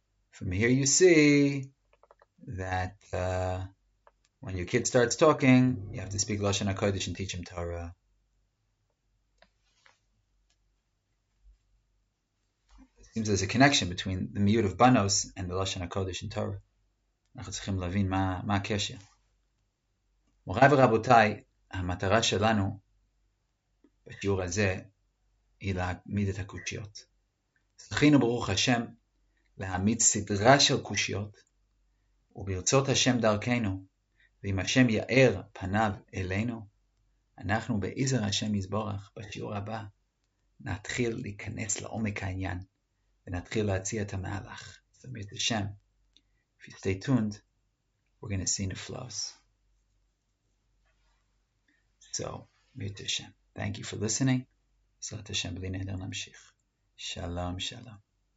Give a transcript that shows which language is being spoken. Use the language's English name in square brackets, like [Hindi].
[English] From here you see that when your kid starts talking, you have to speak Lashon HaKodesh and teach him Torah. It seems there's a connection between the miyut of Banos and the Lashon HaKodesh and Torah. [Hebrew] אנחנו צריכים להבין מה הקשר. מוריי ורבותיי, המטרה שלנו בשיעור הזה היא להעמיד את הקושיות. זכינו ברוך השם להעמיד סדרה של קושיות, וברצות השם דרכנו, ואם השם יאר פניו אלינו, אנחנו בעזר השם יזבורך, בשיעור הבא, נתחיל להיכנס לעומק העניין, ונתחיל להציע את המהלך. זאת אומרת השם, [English] if you stay tuned, we're going to see the flows. [Hebrew] So, מיות השם. [English] Thank you for listening. [Hebrew] בעזרת השם, בלי נהדר נמשיך. שלום, שלום.